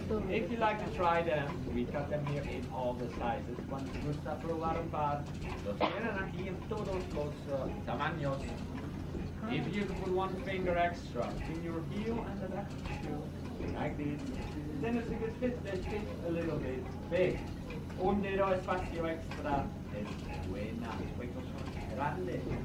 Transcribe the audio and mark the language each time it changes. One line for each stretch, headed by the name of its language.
English: If you like to try them, we cut them here in all the sizes.
Spanish: Cuando te gusta probar un par, los tienen aquí en todos los tamaños.
English: If you put one finger extra in your heel and the back shoe, like this, then it's a good fit. They fit a little bit big.
Spanish: Un dedo espacio extra es buena. Los huecos son grandes.